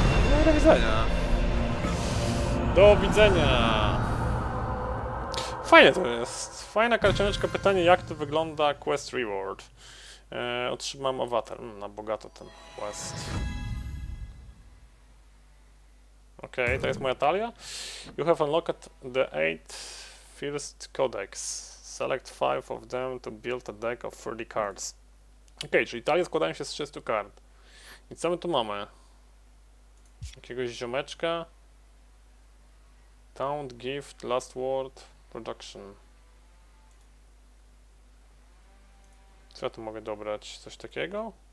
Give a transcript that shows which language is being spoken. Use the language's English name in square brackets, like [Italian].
[Polish] No i do widzenia. Do widzenia! Fajne to jest. Fajna karcianeczka. Pytanie, jak to wygląda quest reward. Otrzymam awatar. Na bogato ten quest. Okej, okay, to jest moja talia. [English] You have unlocked the 8 first codex. Select 5 of them to build a deck of 30 cards. [Polish] Okej, okay, czyli talie składają się z 30 kart. I co my tu mamy? Jakiegoś ziomeczka. [English] Taunt, gift, last word, production. [Polish] Co ja tu mogę dobrać? Coś takiego?